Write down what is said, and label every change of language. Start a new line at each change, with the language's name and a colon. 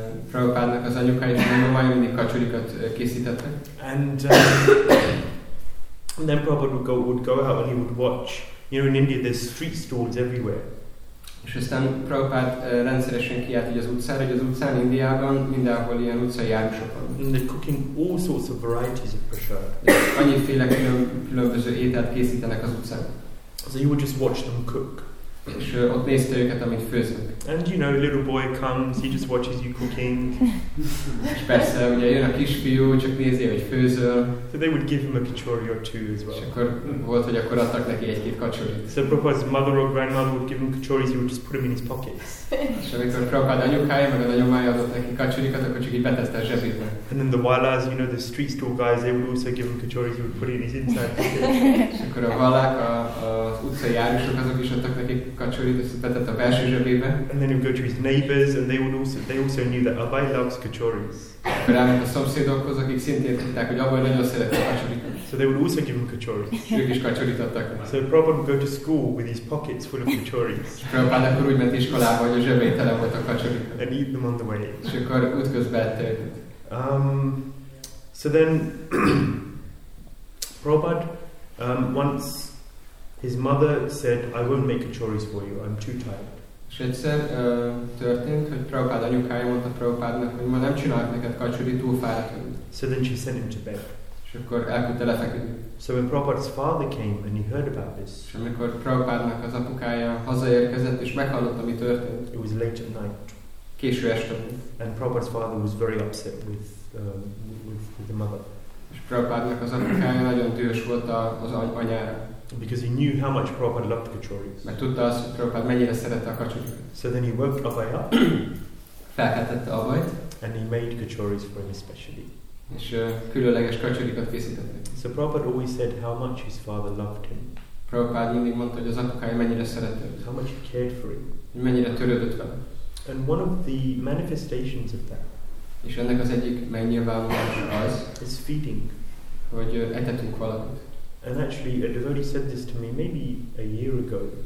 Hungarian: Prabhupada-nak az anyukai és nagyomai mindig kachorikat készítettek.
English: And then Prabhupada would go out and he would watch. You know, in India there's street stalls everywhere.
Hungarian: És aztán Prabhupada rendszeresen kiállt így az utcára, hogy az utcán Indiában mindenhol ilyen utcai járusok van.
English: And they're cooking all sorts of varieties of prasad.
Hungarian: Annyiféle különböző ételt készítenek az utcán.
English: So you would just watch them cook.
Hungarian: És ott nézte őket, amit főznek.
English: And you know, little boy comes, he just watches you cooking.
Hungarian: És persze, ugye jön a kisfiú, csak nézi, hogy főzöl.
English: So they would give him a kachori or two as well.
Hungarian: És akkor volt, hogy akkor adtak neki egy-két kachorit.
English: So Prabhupada's mother or grandmother would give him kachoris, he would just put them in his pockets.
Hungarian: És amikor Prabhupada anyukája, meg a nagyomája adott neki kachorikat, akkor csak így betette a zsebébe.
English: And then the walas, you know, the street store guys, they would also give him kachoris, he would put it in his inside pocket.
Hungarian: És akkor a walák, az utcai járusok, azok is adtak neki kachorit, ezt betett a belső zsebébe.
English: And then he would go to his neighbors, and they also knew that Abai loves kachoris.
Hungarian: Rámint a szomszédokhoz, akik szintén tudták, hogy Abai nagyon szeret a kachorikat.
English: So they would also give him kachoris.
Hungarian: Ők is kachorit adtak.
English: So Prabhupada would go to school with his pockets full of kachoris.
Hungarian: Prabhupada akkor úgy ment iskolába, hogy a zsebén tele volt a kachorikat.
English: And eat them on the way.
Hungarian: És akkor útközben ette őket.
English: So then Prabhupada once his mother said, I won't make kachoris for you, I'm too tired.
Hungarian: És egyszer történt, hogy Prabhupada anyukája mondta Prabhupádnak, hogy ma nem csinálok neked kacsori, túl fáradtam.
English: So then she sent him to bed.
Hungarian: És akkor elküldte lefeküdni.
English: So when Prabhupada's father came and he heard about this.
Hungarian: És amikor Prabhupádnak az apukája hazaérkezett és meghallott, ami történt.
English: It was late at night.
Hungarian: Késő este.
English: And Prabhupada's father was very upset with the mother.
Hungarian: És Prabhupádnak az apukája nagyon dühös volt az anyára.
English: Because he knew how much Prabhupada loved kachoris.
Hungarian: Mert tudta azt, hogy Prabhupada mennyire szerette a kachorit.
English: So then he woke Abai up.
Hungarian: Felkeltette Abait.
English: And he made kachoris for him especially.
Hungarian: És különleges kachorikat készítette.
English: So Prabhupada always said how much his father loved him.
Hungarian: Prabhupada mindig mondta, hogy az apukája mennyire szerette őt.
English: How much he cared for him.
Hungarian: Mennyire törődött vele.
English: And one of the manifestations of that.
Hungarian: És ennek az egyik megnyilvánulása az.
English: Is feeding.
Hungarian: Hogy etetünk valakit.
English: And actually, a devotee said this to me maybe a year ago.